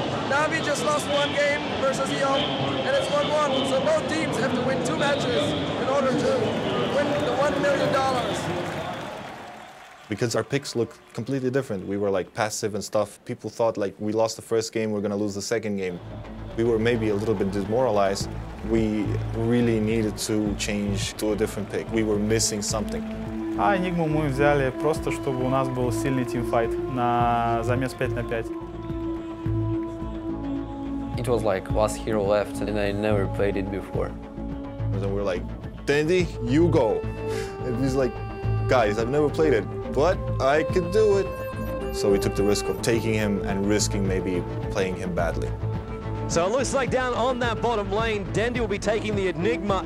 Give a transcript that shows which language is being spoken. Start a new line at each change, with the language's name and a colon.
English: Navi just lost one game versus Young, and it's 1-1, so both teams have to win 2 matches in order to win the $1 million. Because our picks look completely different. We were like passive and stuff. People thought like we lost the first game, we're gonna lose the second game. We were maybe a little bit demoralized. We really needed to change to a different pick. We were missing something.
Russian: А Enigma мы взяли просто чтобы у нас был сильный тимфайт на замес 5-5.
English: It was like last hero left and I never played it before. And then we were like, Dandy, you go. And he's like, guys, I've never played it, but I can do it. So we took the risk of taking him and risking maybe playing him badly. So it looks like down on that bottom lane, Dendi will be taking the Enigma.